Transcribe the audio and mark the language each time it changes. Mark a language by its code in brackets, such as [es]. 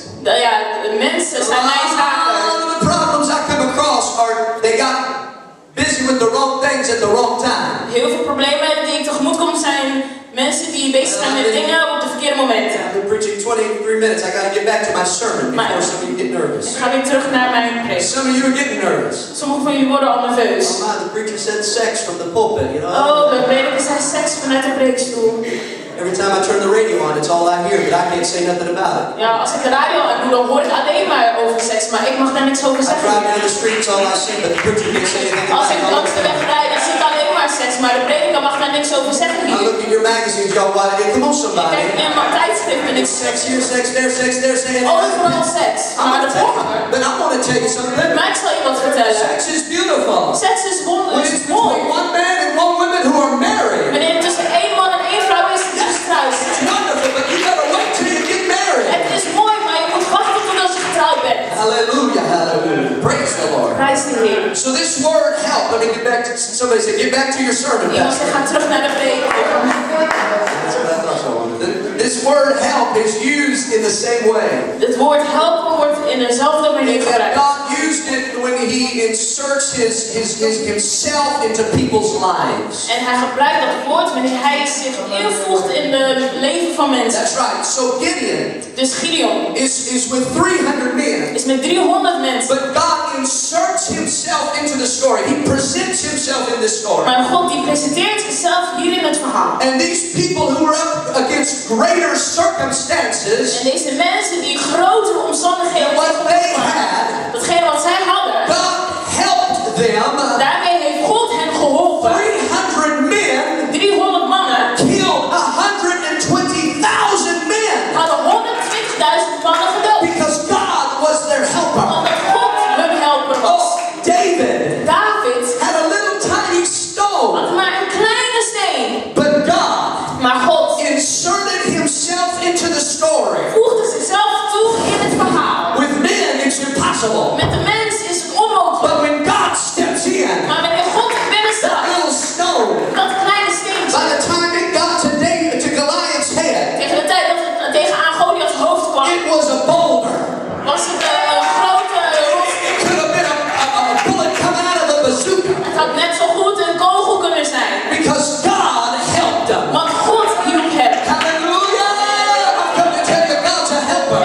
[nl] Ja, de mensen zijn mijn zaken. [en] A lot of the problems I come across are they got busy with the wrong things at the wrong time. [nl] Heel veel problemen die ik tegemoet kom zijn mensen die bezig zijn met dingen op de verkeerde momenten. [en] I've been preaching 23 minutes. I gotta get back to my sermon before some of you get nervous. [nl] Ik ga weer terug naar mijn preek. [en] Some of you are getting nervous. [nl] Sommige van jullie worden al nerveus. [en] Oh my, the preacher said sex from the pulpit, you know. [nl] Oh, de prediker zei seks vanuit de preekstoel. [en] Every time I turn the radio on, it's all I hear, but I can't say nothing about it. [nl] Ja, als ik de radio aan doe, dan hoor ik alleen maar over seks, maar ik mag daar niks over zeggen. [en] I drive down the street, it's all I see, but the preacher can't say anything about it. [nl] Als ik langs de weg rijd, dan zie ik alleen maar seks, maar de prediker mag daar niks over zeggen hier. [en] I look at your magazines, y'all, why did it come on somebody? [nl] Ik kijk in mijn tijdschriften, ik zeg seks hier, seks daar, seks daar, [en] say anything. [nl] Overal seks, maar de vorige. [en] But I want to tell you something. [nl] Maar ik zal je wat vertellen. [en] Sex is beautiful. [nl] Seks is wonderlijk. [en] It's mooi. It's one man and one woman who are married. [nl] Wanneer het tussen één man en één vrouw is, dus trouwens. [en] It's wonderful, but you gotta wait till you get married. [nl] Het is mooi, maar je moet wachten tot als je getrouwd bent. [en] Hallelujah, hallelujah. Praise the Lord. [nl] Prijs de Heer. [en] So this word help, let me get back to, somebody say, get back to your sermon. [nl] Jongens, we gaan terug naar de preek. [en] This word help is used in the same way. [nl] Het woord help wordt in dezelfde manier gebruikt. [en] Used it when he inserts his himself into people's lives. [nl] En hij gebruikt dat woord wanneer hij zich invoegt in de leven van mensen. [en] That's right. So Gideon. [nl] Dus Gideon. [en] Is with 300 men. [nl] Is met 300 mensen. [en] But God inserts himself into the story. He presents himself in this story. [nl] Maar God die presenteert zichzelf hier in het verhaal. [en] And these people who are up against greater circumstances. [nl] En deze mensen die grotere omstandigheden. [en] What they had. [nl] Hetgeen wat zij hadden. [en] God helped them. [nl] Daarmee heeft God hen geholpen. [en] 300 men. [nl] 300 mannen. [en] Killed 120,000 men. [nl] Hadden 120,000 mannen gedood. [en] Because God was their helper. [nl] Omdat God hun helper was. [en] Oh, David. [nl] David. [en] Had a little tiny stone. [nl] Had maar een kleine steen. [en] But God. [nl] Maar God. [en] Inserted himself into the story. [nl] Voegde zichzelf toe in het verhaal. [en] With men it's impossible. [nl] Met de mens is het onmogelijk. [en] But when God steps in. [nl] Maar wanneer God er binnen staat. [en] That little stone. [nl] Dat kleine steentje. [en] By the time it got to David, to Goliath's head. [nl] Tegen de tijd dat het tegen aan Goliath's hoofd kwam. [en] It was a boulder. [nl] Was het een grote rotsteen. [en] It could have been a bullet coming out of the bazooka. [nl] Het had net zo goed een kogel kunnen zijn. [en] Because God helped them. [nl] Want God. [en] Hallelujah! I've come to tell you God's a helper.